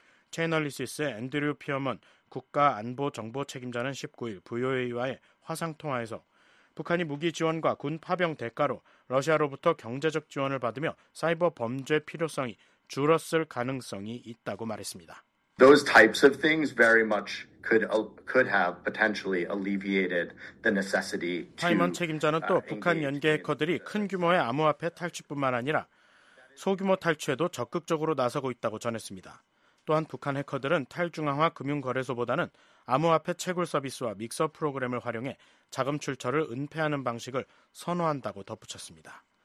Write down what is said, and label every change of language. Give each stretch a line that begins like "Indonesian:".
Korean: 체인얼리시스의 앤드류 피어먼 국가안보정보책임자는 19일 VOA와의 화상통화에서 북한이 무기 지원과 군 파병 대가로 러시아로부터 경제적 지원을 받으며 사이버 범죄 필요성이 줄었을 가능성이 있다고 말했습니다.
English: Those types of things very much could have potentially alleviated the necessity to.
Korean: 파이먼 책임자는 또 북한 연계 해커들이 큰 규모의 암호화폐 탈취뿐만 아니라 소규모 탈취에도 적극적으로 나서고 있다고 전했습니다. 또한 북한 해커들은 탈중앙화 금융거래소보다는 암호화폐 채굴 서비스와 믹서 프로그램을 활용해 자금 출처를 은폐하는 방식을 선호한다고 덧붙였습니다.